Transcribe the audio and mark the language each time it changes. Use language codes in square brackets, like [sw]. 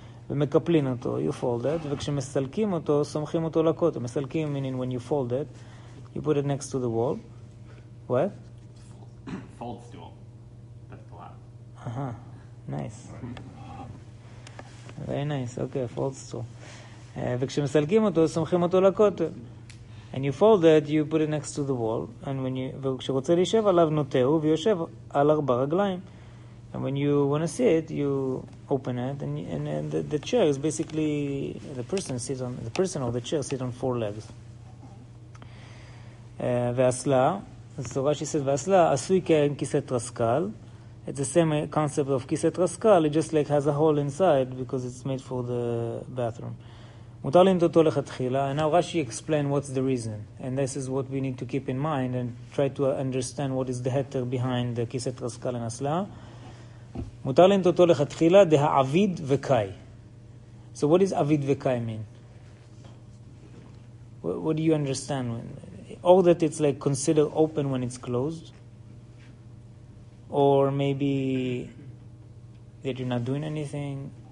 [he] ומקפלין אותו, [en] you fold it, [he] וכשמסלקים אותו, סומכים אותו לכותל. [en] מסלקים, meaning when you fold it, you put it next to the wall. What? Fold stool. That's the lot. Nice. Very nice, okay, fold stool. [he] וכשמסלקים אותו, סומכים אותו לכותל. [en] And you fold it, you put it next to the wall, and when you, [he] וכשרוצה להישב עליו, נוטהו, ויושב על ארבע רגליים. [en] And when you want to see it, you open it, and the chair is basically the person sits on the person or the chair sits on four legs. Ve'asla, so Rashi says [he] ve'asla asui ke'en kiset traskal. [en] It's the same concept of kiset traskal. It just like has a hole inside because it's made for the bathroom. [he] Mutar lintoto lechatchila. [en] And now Rashi explained what's the reason, and this is what we need to keep in mind and try to understand what is the heter behind the kiset traskal and asla. [he] מותר לנטותו לכתחילה דהעביד וקאי. [en] So what does עביד וקאי mean? What do you understand? Or that it's like considered open when it's closed? Or maybe that you're not doing anything?